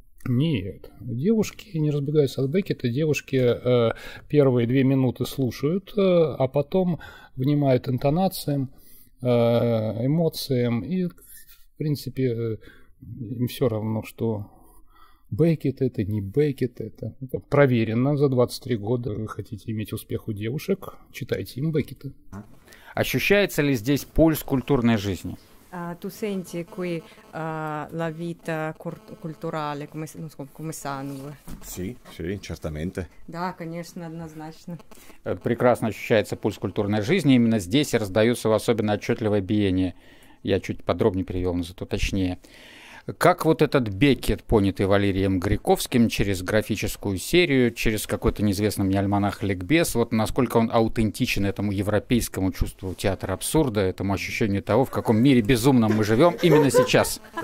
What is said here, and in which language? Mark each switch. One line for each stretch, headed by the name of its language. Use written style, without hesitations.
Russian: Нет, девушки не разбегаются от Беккета. Девушки первые две минуты слушают, а потом внимают интонациям, эмоциям. И, в принципе, им все равно, что Беккет это, не Беккет это. Проверено за 23 года. Вы хотите иметь успех у девушек, читайте им Беккета. Ощущается ли здесь пульс культурной жизни?
Italian: Tu senti qui la vita culturale, come, non so, come sangue? Sì, sì, certamente.
Russian: Да, конечно, однозначно. Прекрасно ощущается пульс культурной жизни. Именно здесь раздаются в особенно отчетливое биение. Я чуть подробнее перевел, но зато точнее. Как вот этот Беккет, понятый Валерием Гриковским через графическую серию, через какой-то неизвестный мне альманах «Ликбез», вот насколько он аутентичен этому европейскому чувству театра абсурда, этому ощущению того, в каком мире безумном мы живем именно сейчас?